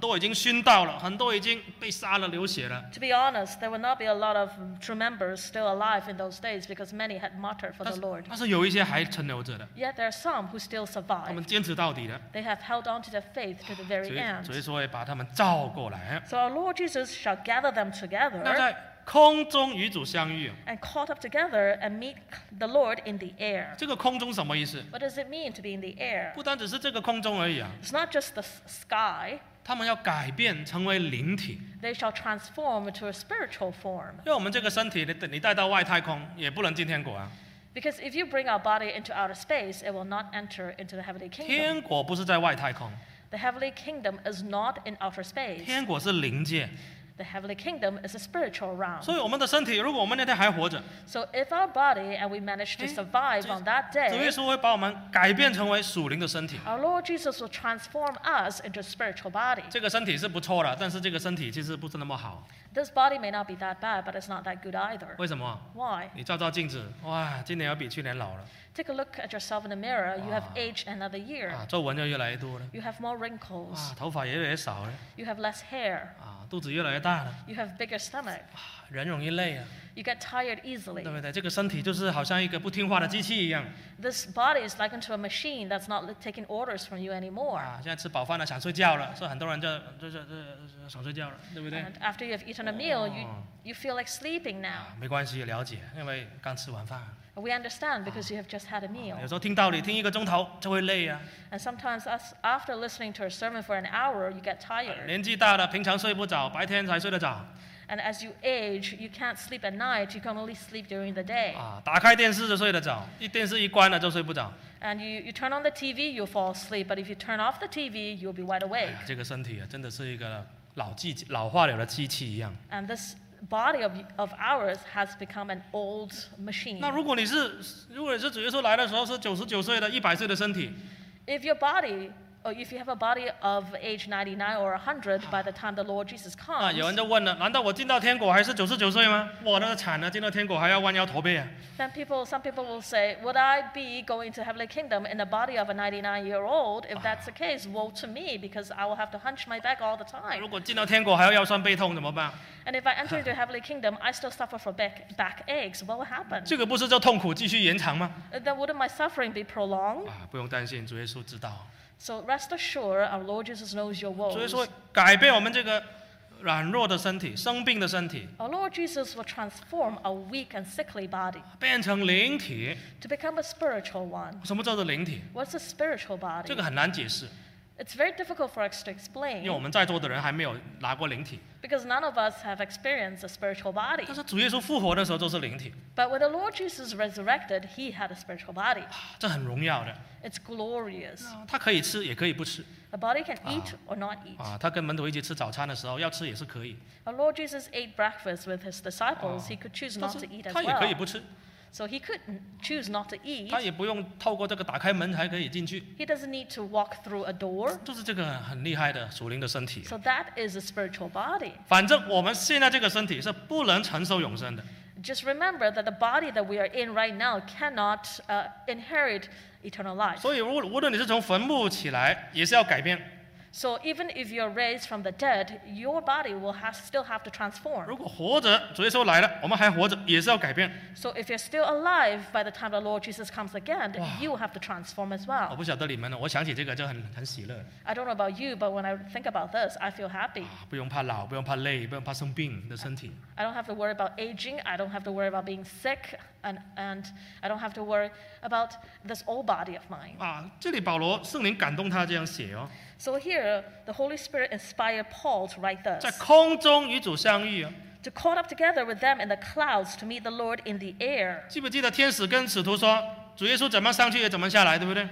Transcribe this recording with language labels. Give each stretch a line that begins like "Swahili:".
Chinese: 这得救的信徒也不多了，因为很多已经殉道了，很多已经被杀了，流血了。
English: To be honest, there would not be a lot of true members still alive in those days because many had martyred for the Lord.
Chinese: 但是有一些还存留着的。
English: Yet there are some who still survived.
Chinese: 他们坚持到底的。
English: They have held on to their faith to the very end.
Chinese: 所以说会把他们召过来。
English: So our Lord Jesus shall gather them together.
Chinese: 那在空中与主相遇。
English: And caught up together and meet the Lord in the air.
Chinese: 这个空中什么意思？
English: What does it mean to be in the air?
Chinese: 不单只是这个空中而已啊。
English: It's not just the sky.
Chinese: 他们要改变成为灵体。
English: They shall transform into a spiritual form.
Chinese: 因为我们这个身体，你带到外太空，也不能进天国啊。
English: Because if you bring our body into outer space, it will not enter into the heavenly kingdom.
Chinese: 天国不是在外太空。
English: The heavenly kingdom is not in outer space.
Chinese: 天国是灵界。
English: The heavenly kingdom is a spiritual realm.
Chinese: 所以我们的身体，如果我们那天还活着，
English: So if our body and we manage to survive on that day,
Chinese: 主耶稣会把我们改变成为属灵的身体。
English: Our Lord Jesus will transform us into a spiritual body.
Chinese: 这个身体是不错的， 但是这个身体其实不是那么好。
English: This body may not be that bad, but it's not that good either.
Chinese: 为什么？
English: Why?
Chinese: 你照照镜子， 哇， 今年要比去年老了。
English: Take a look at yourself in the mirror. You have aged another year.
Chinese: 啊， 皱纹又越来越多了。
English: You have more wrinkles.
Chinese: 啊， 头发也越来越少了。
English: You have less hair.
Chinese: 啊， 肚子越来越大了。
English: You have bigger stomach.
Chinese: 啊， 人容易累啊。 You get tired easily. 对不对？这个身体就是好像一个不听话的机器一样。
English: This body is likened to a machine that's not taking orders from you anymore.
Chinese: 啊， 现在吃饱饭了，想睡觉了， 所以很多人就想睡觉了，对不对？
English: And after you have eaten a meal, you feel like sleeping now.
Chinese: 啊， 没关系， 了解， 因为刚吃完饭。
English: We understand because you have just had a meal.
Chinese: 有时候听道理，听一个钟头就会累啊。
English: And sometimes after listening to a sermon for an hour, you get tired.
Chinese: 年纪大了，平常睡不着，白天才睡得着。
English: And as you age, you can't sleep at night, you can only sleep during the day.
Chinese: 打开电视就睡得着，一电视一关了就睡不着。
English: And you turn on the TV, you'll fall asleep, but if you turn off the TV, you'll be wide awake.
Chinese: 这个身体啊，真的是一个老化了的机器一样。
English: And this body of ours has become an old machine.
Chinese: 那如果你是主耶稣来的时候是99岁的，100岁的身体。
English: If your body, or if you have a body of age 99 or 100 by the time the Lord Jesus comes.
Chinese: 啊，有人就问了，难道我进到天国还是99岁吗？我的惨了，进到天国还要弯腰驼背啊。
English: Then people will say, would I be going to heavenly kingdom in a body of a 99-year-old? If that's the case, woe to me, because I will have to hunch my back all the time.
Chinese: 如果进到天国还要腰酸背痛怎么办？
English: And if I enter into heavenly kingdom, I still suffer from back aches. What will happen?
Chinese: 这个不是叫痛苦继续延长吗？
English: Then wouldn't my suffering be prolonged?
Chinese: 啊，不用担心，主耶稣知道。
English: So rest assured, our Lord Jesus knows your woes.
Chinese: 所以说，改变我们这个。软弱的身体，生病的身体，
English: Our Lord Jesus will transform a weak and sickly body
Chinese: 变成灵体，
English: to become a spiritual one.
Chinese: 什么叫做灵体？
English: What's a spiritual body?
Chinese: 这个很难解释。
English: It's very difficult for us to explain.
Chinese: 因为我们在座的人还没有拿过灵体。
English: Because none of us have experienced a spiritual body.
Chinese: 但是主耶稣复活的时候就是灵体。
English: But when the Lord Jesus resurrected, he had a spiritual body.
Chinese: 这很荣耀的。
English: It's glorious.
Chinese: 他可以吃也可以不吃。
English: A body can eat or not eat.
Chinese: 他跟门徒一起吃早餐的时候要吃也是可以。
English: Our Lord Jesus ate breakfast with his disciples. He could choose not to eat as well.
Chinese: 他也可以不吃。
English: So he could choose not to eat.
Chinese: 他也不用透过这个打开门才可以进去。
English: He doesn't need to walk through a door.
Chinese: 就是这个很厉害的属灵的身体。
English: So that is a spiritual body.
Chinese: 反正我们现在这个身体是不能承受永生的。
English: Just remember that the body that we are in right now cannot inherit eternal life.
Chinese: 所以无论你是从坟墓起来，也是要改变。
English: So even if you're raised from the dead, your body will still have to transform.
Chinese: 如果活着，主耶稣来了，我们还活着，也是要改变。
English: So if you're still alive by the time the Lord Jesus comes again, you have to transform as well.
Chinese: 我不晓得你们了，我想起这个就很喜乐。
English: I don't know about you, but when I think about this, I feel happy.
Chinese: 不用怕老，不用怕累，不用怕生病的身体。
English: I don't have to worry about aging. I don't have to worry about being sick. And I don't have to worry about this old body of mine.
Chinese: 啊，这里保罗圣灵感动他这样写哦。
English: So here, the Holy Spirit inspired Paul to write this.
Chinese: 在空中与主相遇。
English: To caught up together with them in the clouds to meet the Lord in the air.
Chinese: 记不记得天使跟使徒说？主耶稣怎么上去也怎么下来，对不对？